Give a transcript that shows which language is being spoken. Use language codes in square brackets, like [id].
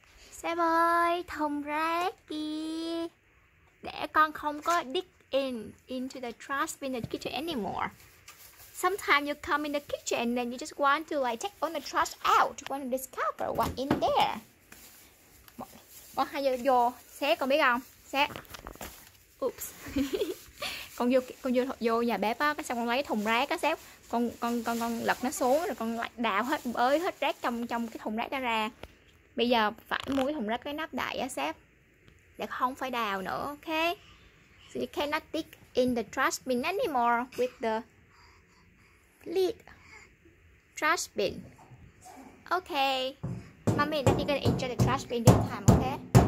[vi] Sếp ơi, thùng rác kìa. Để con không có dig into the trash bin in the kitchen anymore. [en] Sometimes you come in the kitchen and then you just want to like take all the trash out. You want to discover what's in there. [vi] Con hay vô sếp con biết không? Sếp. Oops. con vô nhà bếp á, cái xong con lấy thùng rác á sếp. Con lật nó xuống rồi con lại đào hết bới hết rác trong cái thùng rác đó ra. Bây giờ phải mua cái thùng rác cái nắp đậy á sếp. Để không phải đào nữa, ok? [en] So you cannot dig in the trash bin anymore with the lid. Trash bin. Ok. Mommy, now you're gonna enjoy the trash bin this time, ok?